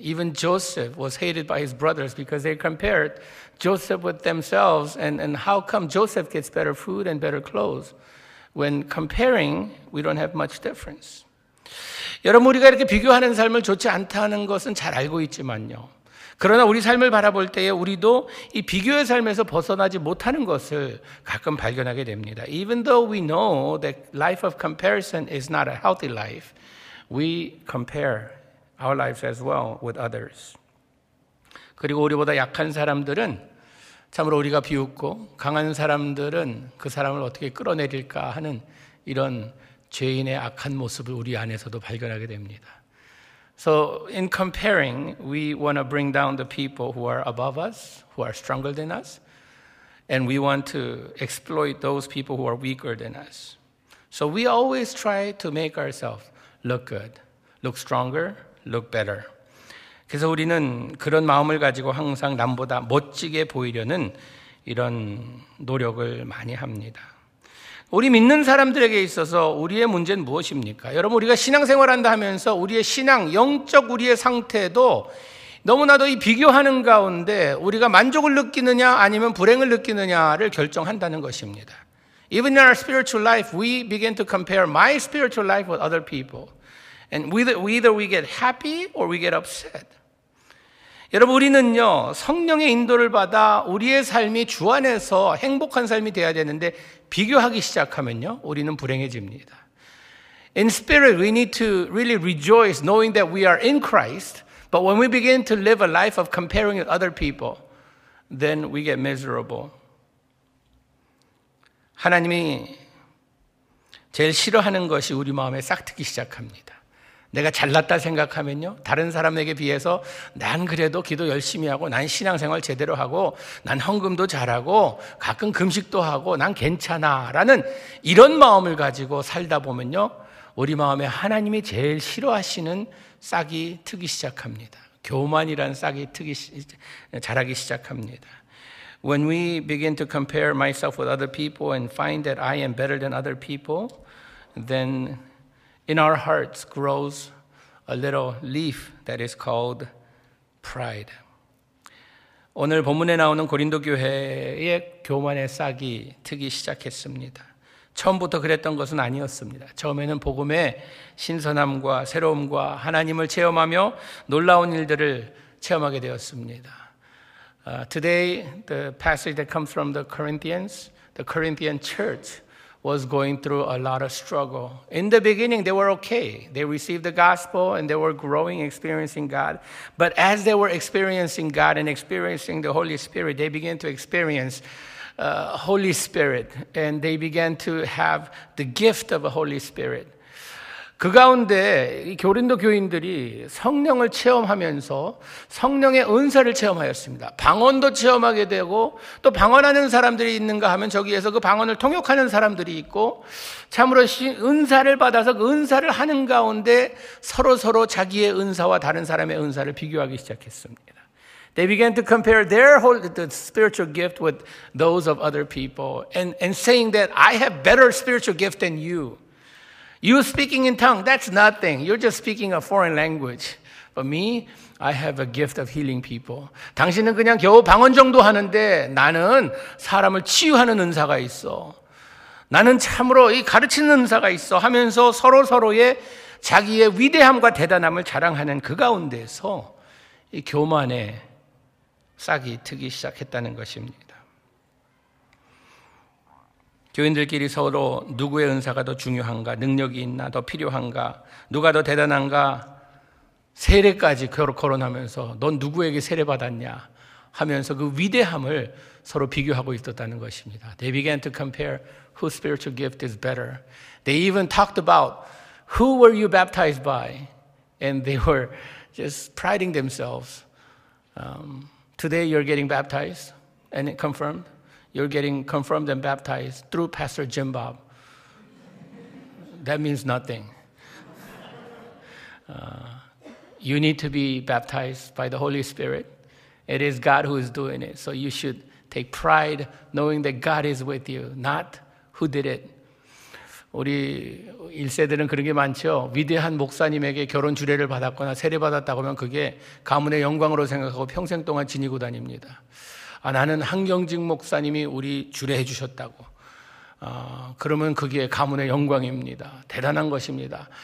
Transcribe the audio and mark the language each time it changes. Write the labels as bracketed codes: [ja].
[en] Even Joseph was hated by his brothers because they compared Joseph with themselves and how come Joseph gets better food and better clothes when comparing we don't have much difference. [ko] 여러분 우리가 이렇게 비교하는 삶을 좋지 않다는 것은 잘 알고 있지만요. 그러나 우리 삶을 바라볼 때에 우리도 이 비교의 삶에서 벗어나지 못하는 것을 가끔 발견하게 됩니다. [en] Even though we know that life of comparison is not a healthy life, we compare our lives as well with others. [ko] 그리고 우리보다 약한 사람들은 참으로 우리가 비웃고 강한 사람들은 그 사람을 어떻게 끌어내릴까 하는 이런 죄인의 악한 모습을 우리 안에서도 발견하게 됩니다. [en] So in comparing, we want to bring down the people who are above us, who are stronger than us, and we want to exploit those people who are weaker than us. So we always try to make ourselves look good, look stronger, look better. [ko] 그래서 우리는 그런 마음을 가지고 항상 남보다 멋지게 보이려는 이런 노력을 많이 합니다. 우리 믿는 사람들에게 있어서 우리의 문제는 무엇입니까? 여러분 우리가 신앙생활한다 하면서 우리의 신앙, 영적 우리의 상태도 너무나도 이 비교하는 가운데 우리가 만족을 느끼느냐 아니면 불행을 느끼느냐를 결정한다는 것입니다. [en] Even in our spiritual life, we begin to compare my spiritual life with other people. And either we get happy or we get upset. [ko] 여러분 우리는요 성령의 인도를 받아 우리의 삶이 주 안에서 행복한 삶이 돼야 되는데 비교하기 시작하면요 우리는 불행해집니다. [en] In spirit we need to really rejoice knowing that we are in Christ but when we begin to live a life of comparing with other people then we get miserable. [ko] 하나님이 제일 싫어하는 것이 우리 마음에 싹트기 시작합니다. 내가 잘났다 생각하면요. 다른 사람에게 비해서 난 그래도 기도 열심히 하고 난 신앙생활 제대로 하고 난 헌금도 잘하고 가끔 금식도 하고 난 괜찮아 라는 이런 마음을 가지고 살다 보면요. 우리 마음에 하나님이 제일 싫어하시는 싹이 트기 시작합니다. 교만이라는 싹이 자라기 시작합니다. [en] When we begin to compare myself with other people and find that I am better than other people, then in our hearts grows a little leaf that is called pride. [ko] 오늘 본문에 나오는 고린도 교회의 교만의 싹이 트기 시작했습니다. 처음부터 그랬던 것은 아니었습니다. 처음에는 복음의 신선함과 새로움과 하나님을 체험하며 놀라운 일들을 체험하게 되었습니다. [en] Today, the passage that comes from the Corinthian church was going through a lot of struggle. In the beginning, they were okay. They received the gospel and they were growing, experiencing God. But as they were experiencing God and experiencing the Holy Spirit, they began to experience Holy Spirit, and they began to have the gift of a Holy Spirit. [ko] 그 가운데 고린도 교인들이 성령을 체험하면서 성령의 은사를 체험하였습니다. 방언도 체험하게 되고 또 방언하는 사람들이 있는가 하면 저기에서 그 방언을 통역하는 사람들이 있고 참으로 은사를 받아서 그 은사를 하는 가운데 서로 자기의 은사와 다른 사람의 은사를 비교하기 시작했습니다. [en] They began to compare their the spiritual gift with those of other people and saying that I have better spiritual gift than you. You speaking in tongue, that's nothing. You're just speaking a foreign language. But me, I have a gift of healing people. [ko] 당신은 그냥 겨우 방언 정도 하는데 나는 사람을 치유하는 은사가 있어. 나는 참으로 이 가르치는 은사가 있어 하면서 서로서로의 자기의 위대함과 대단함을 자랑하는 그 가운데서 이 교만에 싹이 트기 시작했다는 것입니다. 교인들끼리 서로 누구의 은사가 더 중요한가, 능력이 있나, 더 필요한가, 누가 더 대단한가, 세례까지 거론하면서 넌 누구에게 세례받았냐 하면서 그 위대함을 서로 비교하고 있었다는 것입니다. [en] They began to compare whose spiritual gift is better. They even talked about who were you baptized by? And they were just priding themselves. Today you're getting baptized and confirmed. You're getting confirmed and baptized through Pastor Jim Bob. That means nothing. You need to be baptized by the Holy Spirit. It is God who is doing it. So you should take pride knowing that God is with you, not who did it. [ko] 우리 1세대는 그런 게 많죠. 위대한 목사님에게 결혼 주례를 받았거나 세례받았다고 하면 그게 가문의 영광으로 생각하고 평생 동안 지니고 다닙니다. 아, 나는 한경직 목사님이 우리 주례해 주셨다고. 그러면 그게 가문의 영광입니다. 대단한 것입니다.